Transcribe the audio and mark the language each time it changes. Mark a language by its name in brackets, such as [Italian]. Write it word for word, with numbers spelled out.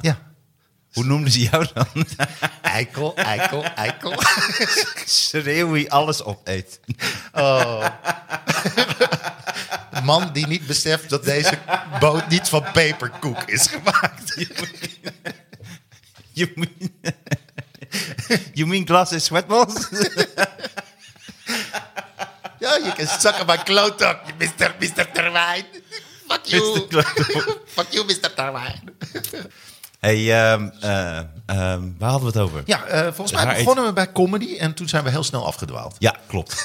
[Dutch] Ja. Hoe noemden ze jou dan? Eikel, eikel, eikel. Schreeuw wie alles opeet. Oh. De man die niet beseft dat deze boot niet van peperkoek is gemaakt. [English] You mean, you mean glass and sweatballs? [Dutch] Ja, je kan zakken mijn klootak, mister Terwijn. [English] Fuck you. Fuck you, mister Terwijn. [Dutch] Hey, um, uh, um, waar hadden we het over? Ja, uh, volgens mij begonnen we bij comedy en toen zijn we heel snel afgedwaald. Ja, klopt.